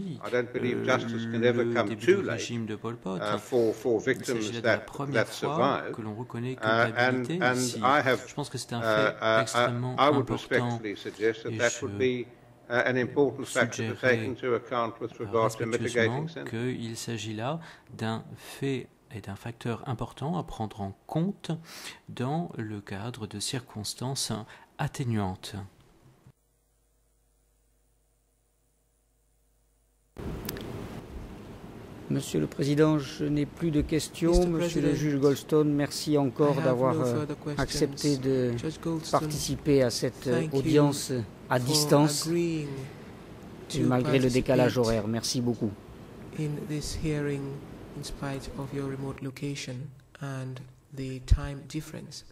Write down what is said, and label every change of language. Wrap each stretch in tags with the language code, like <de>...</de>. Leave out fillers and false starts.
<en>I don't believe justice can ever come too late for victimes that survive. And I have, I would respectfully suggest that would be an important factor to take into account with regard to mitigating sentence.</en> <fr>Qu'il s'agit là d'un fait et d'un facteur important à prendre en compte dans le cadre de circonstances atténuante. Monsieur le Président, je n'ai plus de questions. Monsieur le juge Goldstone, merci encore d'avoir accepté de participer à cette audience à distance et malgré le décalage horaire. Merci beaucoup.</fr> <en>In this hearing, in spite of your remote location and the time difference.</en>